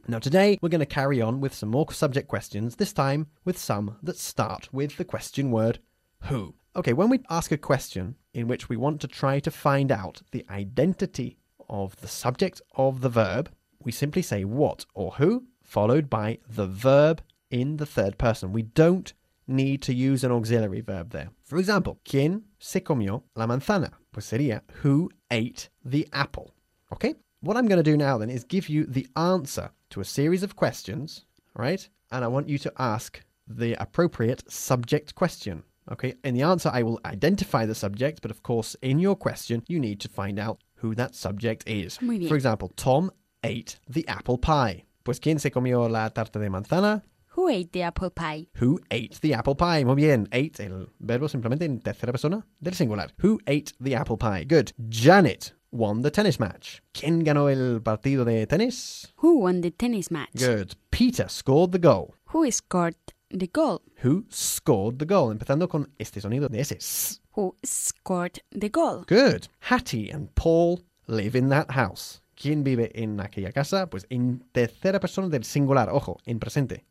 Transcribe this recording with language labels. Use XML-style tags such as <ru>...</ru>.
<en>Now today we're going to carry on with some more subject questions, this time with some that start with the question word who. Okay, when we ask a question in which we want to try to find out the identity of the subject of the verb, we simply say what or who, followed by the verb in the third person. We don't need to use an auxiliary verb there. For example,</en> <es>¿quién se comió la manzana? Pues sería,</es> <en>who ate the apple? Okay, what I'm going to do now then is give you the answer to a series of questions, right? And I want you to ask the appropriate subject question. Okay, in the answer, I will identify the subject, but of course, in your question, you need to find out who that subject is.</en> <es>Muy bien.</es> <en>For example, Tom ate the apple pie.</en> <es>Pues, ¿quién se comió la tarta de manzana?</es> <en>Who ate the apple pie? Who ate the apple pie?</en> <es>Muy bien, ate, el verbo simplemente en tercera persona del singular.</es> <en>Who ate the apple pie? Good. Janet won the tennis match.</en> <es>¿Quién ganó el partido de tenis?</es> <en>Who won the tennis match? Good. Peter scored the goal. Who scored the goal? Who scored the goal?</en> <es>Empezando con este sonido de ese.</es> <en>Who scored the goal? Good. Hattie and Paul live in that house.</en> <es>¿Quién vive en aquella casa? Pues en tercera persona del singular, ojo, en presente.</es>